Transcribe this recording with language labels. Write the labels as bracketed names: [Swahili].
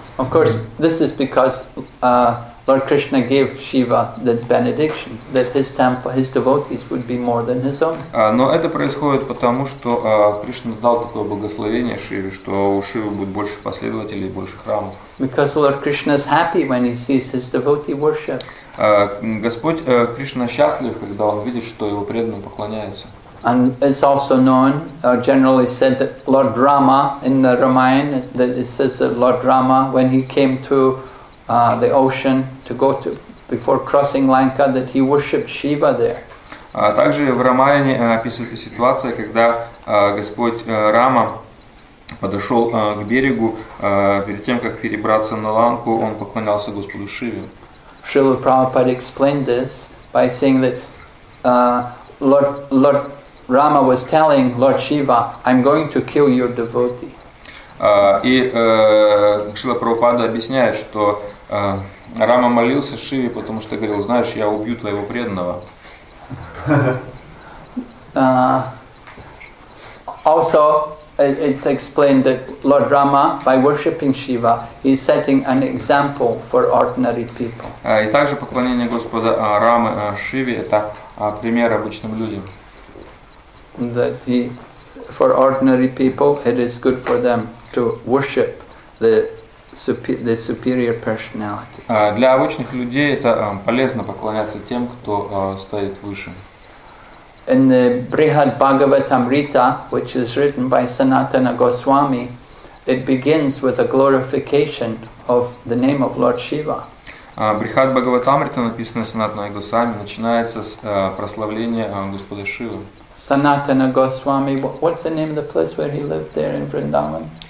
[English] Of course, this is because Lord Krishna gave Shiva the benediction that his temple, his devotees would be more than his own. [Russian] Но это происходит потому, что Кришна дал такое благословение Шиве, что у Шивы будет больше последователей, больше храмов. [English] Because Lord Krishna is happy when he sees his devotee worship. [Russian] Господь Кришна счастлив, когда он видит, что его преданные поклоняются. [English] And it's also known, generally said, that Lord Rama in the Ramayana, that it says that Lord Rama, when he came to the ocean to go to before crossing Lanka, that he worshipped Shiva there. [Russian] Также в Рамаяне описывается ситуация, когда Господь Рама подошел к берегу перед тем, как перебраться на Ланку, он поклонялся Господу Шиве. [English] Srila Prabhupada explained this by saying that Lord Rama was telling Lord Shiva, I'm going to kill your devotee. [Russian] И Шрила Прабхупада объясняет, что Рама молился Шиве, потому что говорил, знаешь, я убью твоего преданного. [English] Also, it's explained that Lord Rama, by worshipping Shiva, is setting an example for ordinary people. [Russian] И также поклонение Господа Рамы Шиве – это пример обычным людям. [English] That he, for ordinary people, it is good for them to worship the superior personality. [Russian] Для обычных людей это полезно поклоняться тем, кто стоит выше. [English] In the Brihad Bhagavatamrita, which is written by Sanatana Goswami, it begins with a glorification of the name of Lord Shiva. [Russian] Брихад Бхагаватамрита, написанное Санатаной Госвами, начинается с прославления Господа Шивы. [English] Sanatana Goswami, what's the name of the place where he lived there in Vrindavan?